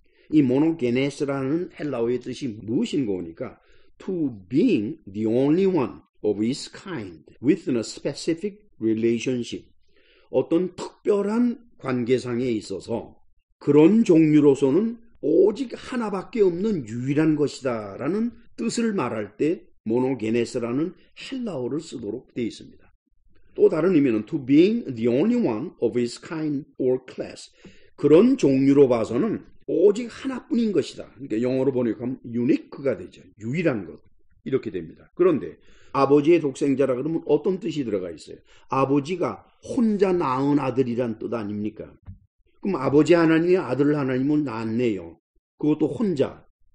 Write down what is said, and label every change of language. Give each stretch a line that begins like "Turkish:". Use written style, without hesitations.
Korean: 이 모노게네스라는 헬라어의 뜻이 무엇인가 보니까
English: to being the only one of his kind within a specific relationship
Korean: 어떤 특별한 관계상에 있어서 그런 종류로서는 오직 하나밖에 없는 유일한 것이다 라는 뜻을 말할 때 모노게네스라는 헬라어를 쓰도록 되어 있습니다. 또 다른 의미는
English: to being the only one of his kind or class
Korean: 그런 종류로 봐서는 오직 하나뿐인 것이다. 그러니까 영어로 보니까 유니크가 되죠. 유일한 것 이렇게 됩니다. 그런데 아버지의 독생자라 그러면 어떤 뜻이 들어가 있어요? 아버지가 혼자 낳은 아들이란 뜻 아닙니까? 그럼 아버지 하나님이 아들 하나님을 낳았네요. 그것도 혼자.